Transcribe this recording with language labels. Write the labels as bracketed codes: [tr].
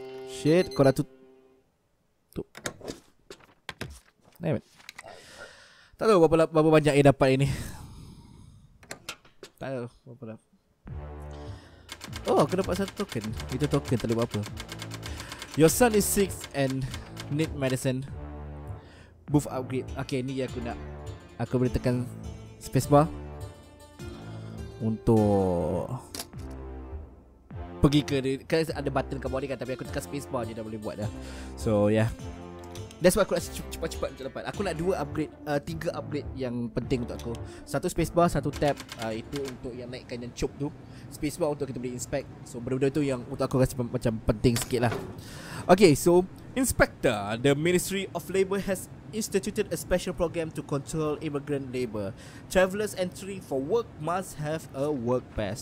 [en] Shit, [ms] kau dah tutup. [en] Damn it. [ms] Tak tahu berapa banyak yang dapat ini. Tak tahu berapa dah. Oh, aku dapat satu token. Itu token tak boleh buat apa. [en] Your son is sick and need medicine. Booth upgrade. Okay, [ms] ni yang aku nak. Aku boleh tekan spacebar untuk pergi ke dia. Kan ada button kat bawah ni kan. Tapi aku tekan spacebar je dah boleh buat dah. [en] So, yeah. That's why [ms] aku rasa cepat-cepat untuk dapat. Aku nak dua upgrade, tiga upgrade yang penting untuk aku. Satu spacebar, satu tab. Itu untuk yang naikkan yang chop tu. Spacebar untuk kita boleh inspect. So benda-benda tu yang untuk aku rasa macam penting sikit lah. [en] Okay, so Inspector, the Ministry of Labour has instituted a special program to control immigrant labour. Travellers entering for work must have a work pass.